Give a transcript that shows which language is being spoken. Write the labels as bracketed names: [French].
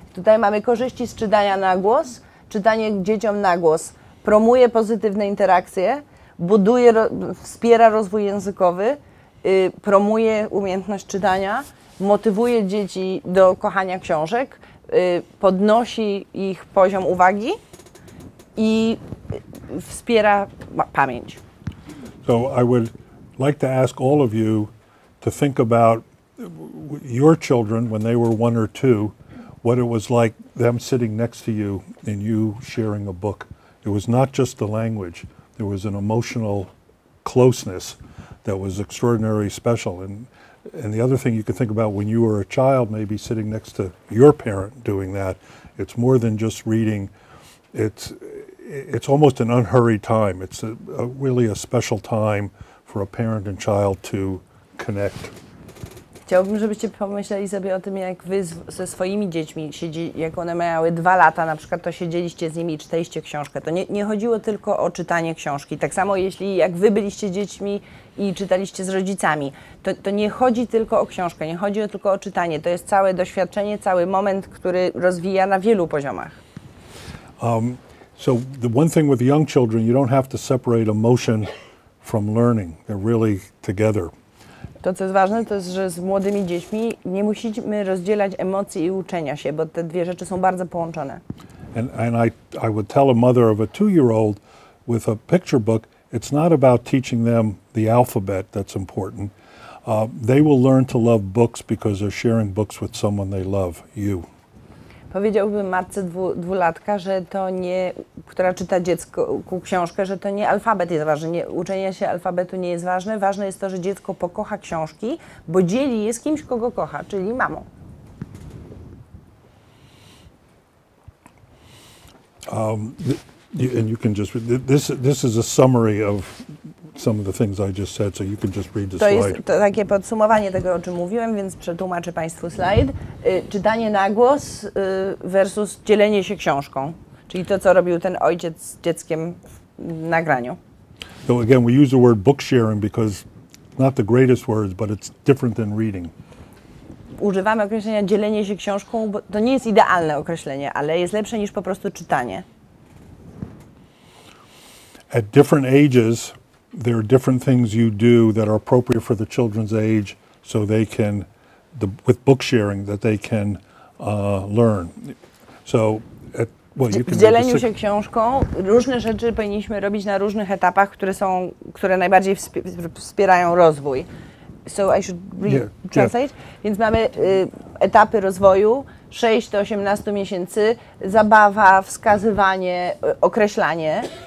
[Polish] Tutaj mamy korzyści z czytania na głos. Czytanie dzieciom na głos promuje pozytywne interakcje, buduje, wspiera rozwój językowy, promuje umiejętność czytania, motywuje dzieci do kochania książek, podnosi ich poziom uwagi i wspiera pamięć. [English] So I would like to ask all of you to think about your children when they were one or two, what it was like them sitting next to you and you sharing a book. It was not just the language. There was an emotional closeness that was extraordinarily special. And the other thing you could think about when you were a child, maybe sitting next to your parent doing that, it's more than just reading. It's almost an unhurried time. It's a really a special time for a parent and child to connect. [Polish] Chciałbym, żebyście pomyśleli sobie o tym, jak wy ze swoimi dziećmi, jak one miały 2 lata na przykład, to siedzieliście z nimi i czytaliście książkę. To nie chodziło tylko o czytanie książki. Tak samo jeśli jak wy byliście dziećmi i czytaliście z rodzicami, to nie chodzi tylko o książkę, nie chodzi tylko o czytanie. To jest całe doświadczenie, cały moment, który rozwija na wielu poziomach. [English] So the one thing with young children, you don't have to separate emotion from learning. They're really together. [Polish] To, co jest ważne, to jest, że z młodymi dziećmi nie musimy rozdzielać emocji i uczenia się, bo te dwie rzeczy są bardzo połączone. [English] And I would tell a mother of a 2-year-old with a picture book, it's not about teaching them the alphabet that's important. They will learn to love books because they're sharing books with someone they love, you. [Polish] Powiedziałbym matce dwulatka, że to nie, która czyta dziecku książkę, że to nie alfabet jest ważny, nie, uczenie się alfabetu nie jest ważne. Ważne jest to, że dziecko pokocha książki, bo dzieli je z kimś, kogo kocha, czyli mamą. [English] And you can just read, this is a summary of some of the things I just said, so you can just read the slide. [Polish] To jest to takie podsumowanie tego, o czym mówiłem, więc przetłumaczę Państwu slajd. Czytanie na głos versus dzielenie się książką, czyli to, co robił ten ojciec z dzieckiem w nagraniu. [English] So again, we use the word book sharing because not the greatest words, but it's different than reading. [Polish] Używamy określenia dzielenie się książką, bo to nie jest idealne określenie, ale jest lepsze niż po prostu czytanie. [English] At different ages, there are different things you do that are appropriate for the children's age, so they can, with book sharing, that they can learn. So, you can. [Polish] W dzieleniu się książką różne rzeczy powinniśmy robić na różnych etapach, które najbardziej wspierają rozwój. [English] So I should translate. Yeah. [Polish] Więc mamy etapy rozwoju 6 do 18 miesięcy, zabawa, wskazywanie, określanie.